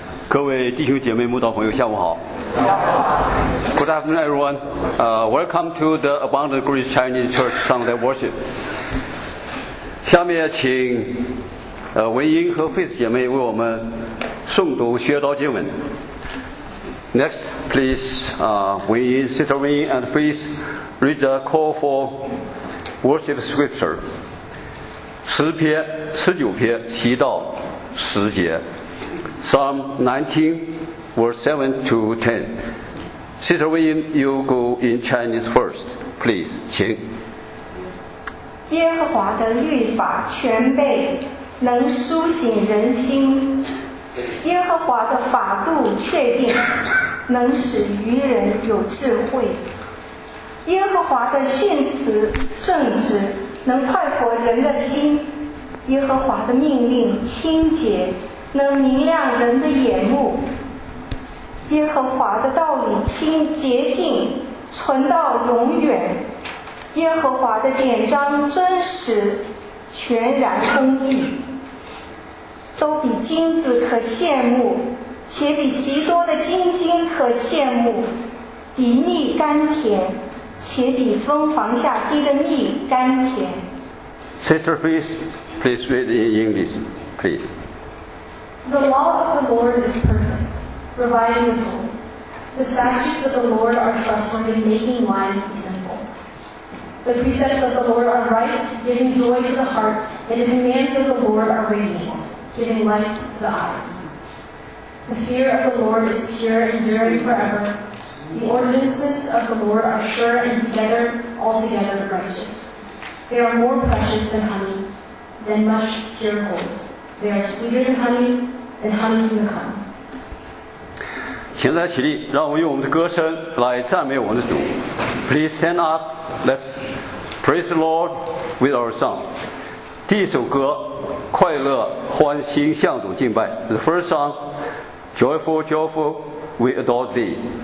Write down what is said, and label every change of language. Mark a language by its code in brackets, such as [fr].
[zh] 各位弟兄姐妹慕道朋友下午好。 [en] Good afternoon everyone. Welcome to the Abundant Grace Chinese Church Sunday Worship. [zh] 下面请文英和费斯姐妹为我们诵读学道经文。 [en] Next, please, Sister Wei Ying and please read the call for worship scripture. [zh] 19篇七到十节。 [en] Psalm 19, verse 7 to 10. Sister Wei Ying, you go in Chinese first, please. [zh] 请。耶和华的律法全备，能苏醒人心。耶和华的法度确定，能使愚人有智慧。耶和华的训词正直，能快活人的心。耶和华的命令清洁，能明亮人的眼目。耶和华的道理清洁净，存到永远。耶和华的典章真实，全然公义，都比金子可羡慕，且比极多的金金可羡慕，比蜜甘甜，且比蜂房下滴的蜜甘甜。 [en] Sister, please, please read in English, please. The law of the Lord is perfect, reviving the soul. The statutes of the Lord are trustworthy, making wise the simple. The precepts of the Lord are right, giving joy to the heart, and the commands of the Lord are radiant, giving light to the eyes. The fear of the Lord is pure, enduring forever. The ordinances of the Lord are sure and together, altogether righteous. They are more precious than honey, than much pure gold. They are sweeter than honey, than honey from the comb. [zh] 请大家起立，让我们用我们的歌声来赞美我们的主。 [en] Please stand up, let's praise the Lord with our song. [zh] 第一首歌，快乐欢欣向主敬拜。 [en] The first song, Joyful, Joyful, We Adore Thee.